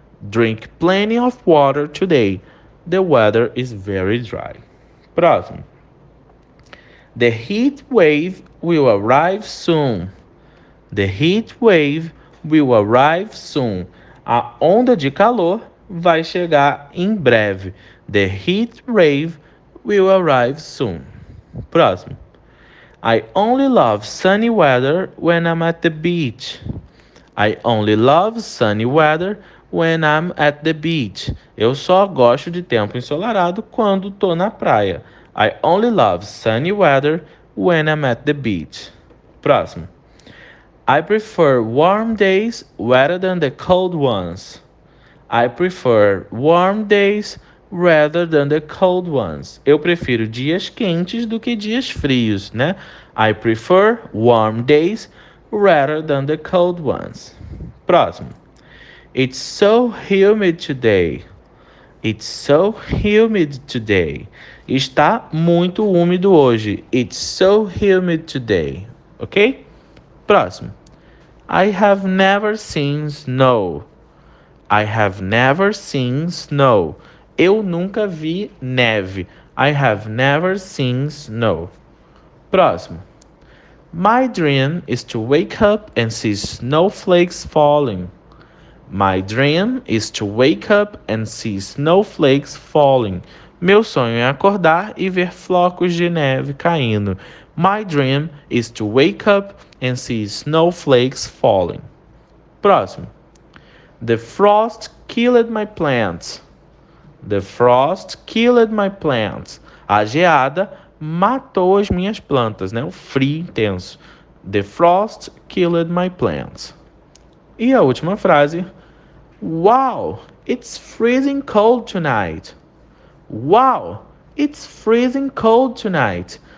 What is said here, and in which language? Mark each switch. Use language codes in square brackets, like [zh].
[en] Drink plenty of water today. The weather is very dry. [pt] Próximo. [en] The heat wave will arrive soon. The heat wave will arrive soon. [pt] A onda de calor vai chegar em breve. [en] The heat wave will arrive soon. [pt] Próximo. [en] I only love sunny weather when I'm at the beach. I only love sunny weather when I'm at the beach. [pt] Eu só gosto de tempo ensolarado quando tô na praia. [en] I only love sunny weather when I'm at the beach. [pt] Próximo. [en] I prefer warm days rather than the cold ones. I prefer warm days rather than the cold ones. [pt] Eu prefiro dias quentes do que dias frios, né? [en] I prefer warm days rather than the cold ones. [pt] Próximo. [en] It's so humid today. It's so humid today. [pt] Está muito úmido hoje. [en] It's so humid today. Ok? [pt] Próximo. [en] I have never seen snow. I have never seen snow. [pt] Eu nunca vi neve. [en] I have never seen snow. [pt] Próximo. [en] My dream is to wake up and see snowflakes falling. My dream is to wake up and see snowflakes falling. Meu sonho é acordar e ver flocos de neve caindo. My dream is to wake up and see snowflakes falling. [pt] Próximo. [en] The frost killed my plants. The frost killed my plants. [pt] A geada matou as minhas plantas, né? O frio intenso. [en] The frost killed my plants. [pt] E a última frase. [en] Wow, it's freezing cold tonight. Wow, it's freezing cold tonight.